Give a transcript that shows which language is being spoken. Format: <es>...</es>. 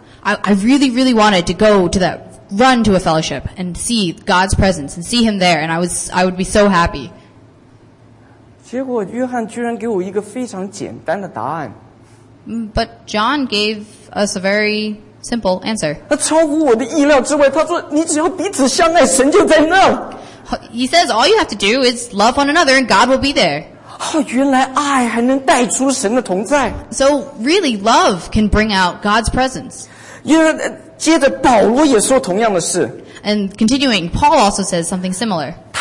<en>I really, really wanted to go to that, run to a fellowship and see God's presence and see Him there, and I would be so happy.</en> <zh>结果约翰居然给我一个非常简单的答案。</zh> <en>But John gave us a very simple answer.</en> <zh>他超乎我的意料之外，他说你只要彼此相爱，神就在那。</zh> <en>He says all you have to do is love one another and God will be there.</en> <zh>Oh, 原来爱还能带出神的同在。</zh> <en>So really love can bring out God's presence.</en> <zh>接着保罗也说同样的事。</zh> <en>And continuing, Paul also says something similar.</en>